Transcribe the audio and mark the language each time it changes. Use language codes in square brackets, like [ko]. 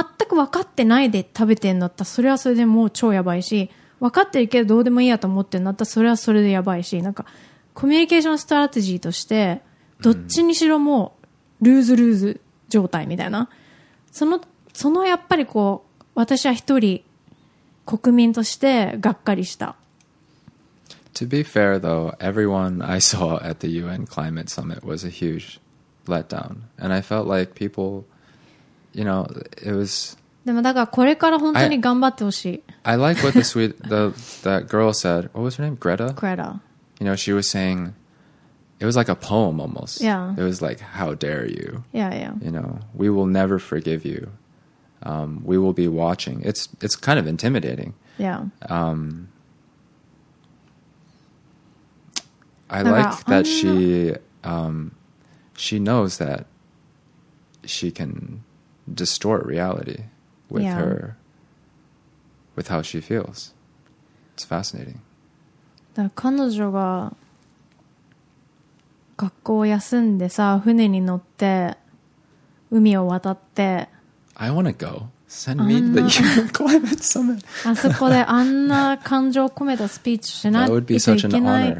[ja] く分かってないで食べてんだったらそれはそれでもう超やばいし、分かってるけどどうでもいいやと思ってんだったらそれはそれでやばいし、なんかコミュニケーションストラテジーとしてどっちにしろもうルーズルーズ状態みたいな、そのやっぱりこう私は一人国民としてがっかりした。 [en] To be fair though, everyone I saw at the UN Climate Summit was a hugeLet down, and I felt like people, you know, it was. [ja] でもだからこれから本当に頑張ってほしい。 [en] I like what the girl said. What was her name? Greta. Greta. You know, she was saying, It was like a poem almost. Yeah. It was like, how dare you? Yeah, yeah. You know, we will never forgive you. We will be watching. It's kind of intimidating. Yeah. I like that she knows that she can distort reality with yeah. her, with how she feels. It's fascinating. [ja] だから彼女が学校を休んでさ、船に乗って海を渡って。 [en] I wanna go. Send me to the UN climate summit. [ja] あそこであんな感情を込めたスピーチしないといけない。 [en] That would be such an honor.